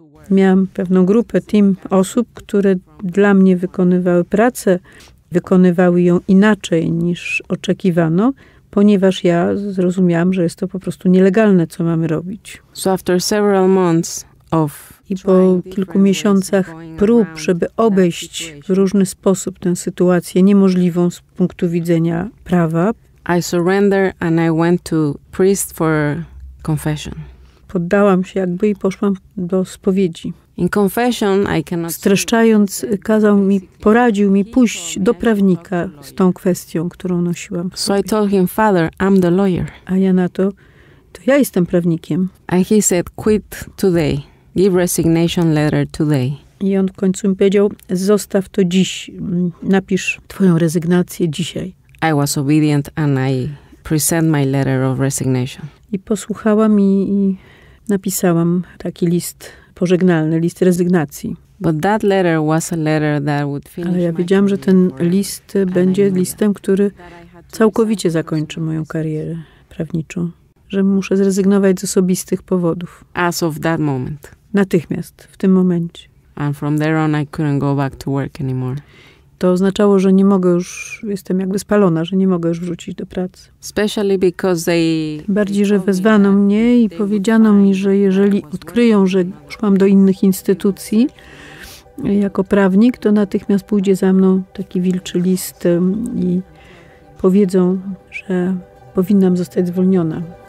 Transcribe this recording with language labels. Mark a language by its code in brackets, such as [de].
[pl] Miałam pewną grupę, team osób, które dla mnie wykonywały pracę, wykonywały ją inaczej niż oczekiwano, ponieważ ja zrozumiałam, że jest to po prostu nielegalne, co mamy robić. [en] So after several months of. [pl] I po kilku miesiącach prób, żeby obejść w różny sposób tę sytuację niemożliwą z punktu widzenia prawa, [en] I surrender and I went to priest for confession. [pl] Poddałam się jakby i poszłam do spowiedzi. [en] In confession, I cannot. [pl] Streszczając, poradził mi pójść do prawnika z tą kwestią, którą nosiłam. [en] So I told him, Father, I'm the lawyer. [pl] A ja na to, ja jestem prawnikiem. [en] And he said, quit today. Give resignation letter today. [pl] I on w końcu mi powiedział, zostaw to dziś. Napisz twoją rezygnację dzisiaj. [en] I was obedient and I present my letter of resignation. [pl] I posłuchałam i napisałam taki list pożegnalny, list rezygnacji. [en] But that letter was a letter that would finish. [pl] Ale ja wiedziałam, że ten list będzie listem, który całkowicie zakończy moją karierę prawniczą. Że muszę zrezygnować z osobistych powodów. [en] As of that moment. [pl] Natychmiast, w tym momencie. [en] And from there on I couldn't go back to work anymore. [pl] To oznaczało, że nie mogę już, jestem jakby spalona, że nie mogę już wrócić do pracy. [en] Especially because they. [pl] Bardziej, że wezwano mnie i powiedziano mi, że jeżeli odkryją, że szłam do innych instytucji jako prawnik, to natychmiast pójdzie za mną taki wilczy list i powiedzą, że powinnam zostać zwolniona.